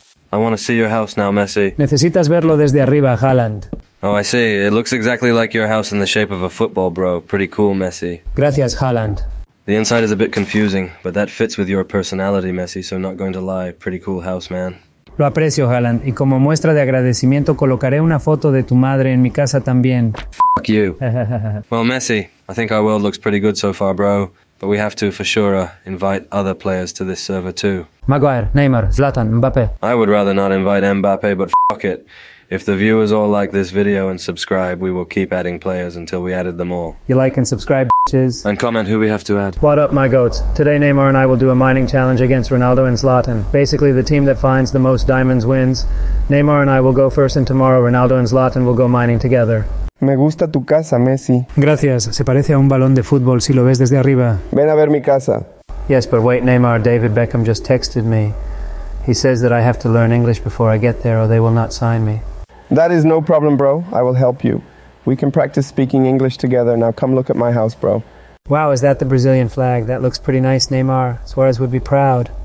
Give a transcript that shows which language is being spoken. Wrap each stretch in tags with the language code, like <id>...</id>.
<en>I want to see your house now, Messi.</en> <es>Necesitas verlo desde arriba, Haaland.</es> <en>Oh, I see. It looks exactly like your house in the shape of a football, bro. Pretty cool, Messi.</en> <es>Gracias, Haaland.</es> <en>The inside is a bit confusing, but that fits with your personality, Messi, so not going to lie. Pretty cool house, man.</en> <es>Lo aprecio, Haaland. Y como muestra de agradecimiento, colocaré una foto de tu madre en mi casa también.</es> <en>Fuck you. Well, Messi, I think our world looks pretty good so far, bro. But we have to, for sure, invite other players to this server, too. Maguire, Neymar, Zlatan, Mbappe. I would rather not invite Mbappe, but fuck it. If the viewers all like this video and subscribe, we will keep adding players until we added them all. You like and subscribe, bitches. And comment who we have to add. What up, my goats? Today, Neymar and I will do a mining challenge against Ronaldo and Zlatan. Basically, the team that finds the most diamonds wins. Neymar and I will go first, and tomorrow, Ronaldo and Zlatan will go mining together.</en> <es>Me gusta tu casa, Messi. Gracias. Se parece a un balón de fútbol si lo ves desde arriba. Ven a ver mi casa.</es> <en>Yes, but wait, Neymar. David Beckham just texted me. He says that I have to learn English before I get there or they will not sign me. That is no problem, bro. I will help you. We can practice speaking English together. Now come look at my house, bro. Wow, is that the Brazilian flag? That looks pretty nice, Neymar. Suarez would be proud.</en>